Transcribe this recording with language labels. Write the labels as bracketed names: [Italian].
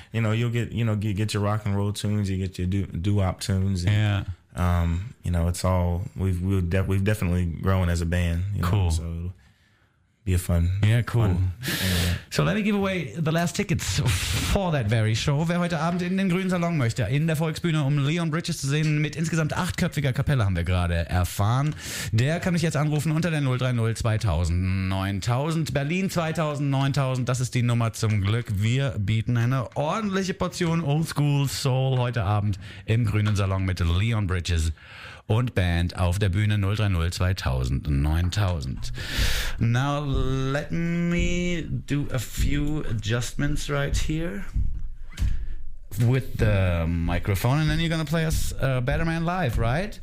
[English] You know, you'll get, you know, get your rock and roll tunes, you get your doo-wop tunes. And, you know, it's all, we've definitely grown as a band. Cool. So it'll be a fun. Yeah, cool. So let me give away the last tickets for that very show. [German] Wer heute Abend in den Grünen Salon möchte, in der Volksbühne, um Leon Bridges zu sehen, mit insgesamt achtköpfiger Kapelle, haben wir gerade erfahren, der kann mich jetzt anrufen unter der 030 2000 9000. Berlin 2000 9000, das ist die Nummer zum Glück. Wir bieten eine ordentliche Portion Oldschool Soul heute Abend im Grünen Salon mit Leon Bridges und Band auf der Bühne 030 2000 9000. [English] Now let me do a few adjustments right here with the microphone, and then you're gonna play us Better Man Live, right?